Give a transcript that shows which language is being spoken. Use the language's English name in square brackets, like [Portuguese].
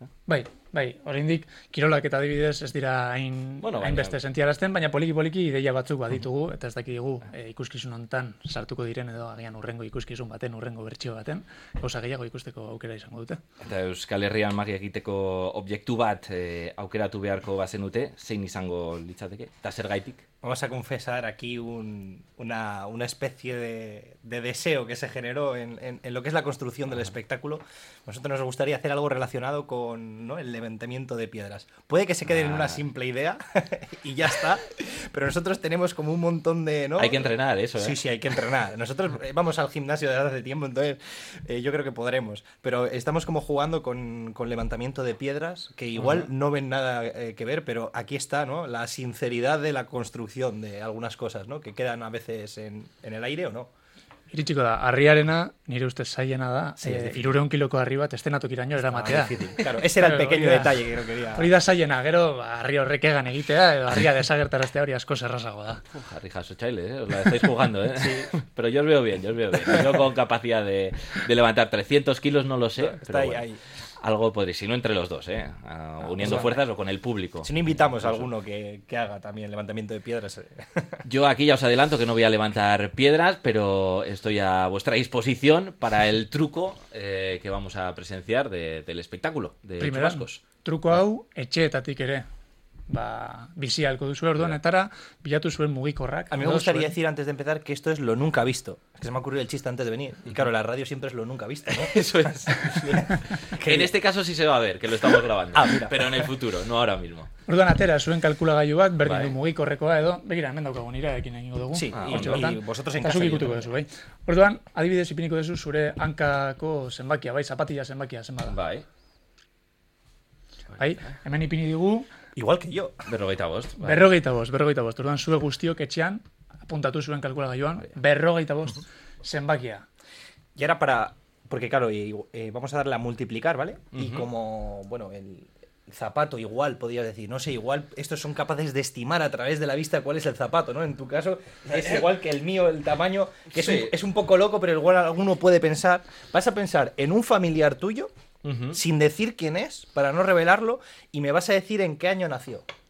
[Basque] Bai, oraindik kirolak eta adibidez ez dira hain, bueno, hain beste sentiarazten, baina poliki-poliki ideia batzuk baditugu, eta ez dakigu ikuskizun hontan sartuko diren edo agian urrengo ikuskizun baten, urrengo bertsio baten, gauza gehiago ikusteko aukera izango dute. Eta Euskal Herrian magia egiteko objektu bat aukeratu beharko bazenute, zein izango litzateke, eta zer gaitik? [Spanish] Vamos a confesar aquí una especie de deseo que se generó en lo que es la construcción del espectáculo. Nosotros nos gustaría hacer algo relacionado con, ¿no?, el levantamiento de piedras. Puede que se quede en una simple idea y ya está, pero nosotros tenemos como un montón de, ¿no? Hay que entrenar eso, ¿eh? Sí, sí, hay que entrenar. Nosotros vamos al gimnasio desde hace tiempo, entonces yo creo que podremos. Pero estamos como jugando con levantamiento de piedras, que igual no ven nada que ver, pero aquí está, ¿no?, la sinceridad de la construcción de algunas cosas, ¿no?, que quedan a veces en el aire o no. [Basque] Iritsiko da, harriarena, nire ustez zailena da, sí, irureun kiloko harri bat estenatokiraino eramatea. [Spanish] Claro, ese era el pequeño detalle que quería. [Basque] Hori da zailena, gero harri horrek egan egitea, edo harria desagertaraztea hori asko zerrazago da. [Spanish] Harri jasotxaile, os la estáis jugando, ¿eh? Sí. Pero yo os veo bien, yo os veo bien. Yo con capacidad de levantar 300 kilos no lo sé, pero está ahí, bueno. Ahí. Algo podría, si no entre los dos, uniendo fuerzas o con el público. Si no invitamos a alguno que haga también levantamiento de piedras. Yo aquí ya os adelanto que no voy a levantar piedras, pero estoy a vuestra disposición para el truco que vamos a presenciar del espectáculo de Chubascos. [Basque] Truco hau, etxeetatik ere. Va, visía el codusuel ordonetara, bilatu zuen mugikorrak. [Spanish] A mí me gustaría decir antes de empezar que esto es lo nunca visto. Es que se me ha ocurrido el chiste antes de venir. Y claro, la radio siempre es lo nunca visto, ¿no? Eso es. En este caso sí se va a ver, que lo estamos grabando. Pero en el futuro, no ahora mismo. [Basque] Ordan atera zuen kalkulagailu bat, berdin du mugikorrekoa edo, begira, hemen daukagu nirearekin egingo dugu. [Spanish] Sí, y vosotros en [Basque] casa. Zuk ikutuko duzu, bai. Orduan, adibidez ipiniko duzu zure hankako zenbakia, bai, zapatilla zenbakia, zenbada. Bai. Bai, hemen ipini dugu. [Spanish] Igual que yo. 45. Vale. 45, 45. [Basque] Orduan, zue guztiok etxean, apuntatu zuen kalkulagailuan, 45 zenbakia. [Spanish] Y ahora para... Porque claro, vamos a darle a multiplicar, ¿vale? Uh-huh. Y como, bueno, el zapato igual, podrías decir, no sé, igual estos son capaces de estimar a través de la vista cuál es el zapato, ¿no? En tu caso, es igual que el mío, el tamaño, que sí. Es un poco loco, pero igual alguno puede pensar. Vas a pensar en un familiar tuyo, uh-huh, sin decir quién es, para no revelarlo, y me vas a decir en qué año nació.